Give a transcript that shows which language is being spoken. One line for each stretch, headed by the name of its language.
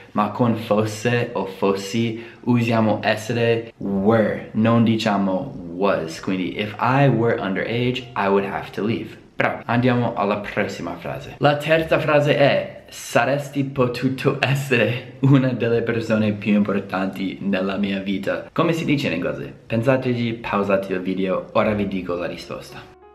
Italian: Ma con fosse o fossi usiamo essere were. Non diciamo was.
English: Quindi if I were underage, I would have to leave.
Italian: Bravo. Andiamo alla prossima frase. La terza frase è: saresti potuto essere una delle persone più importanti nella mia vita. Come si dice in inglese? Pensateci, pausate il video, ora vi dico la risposta.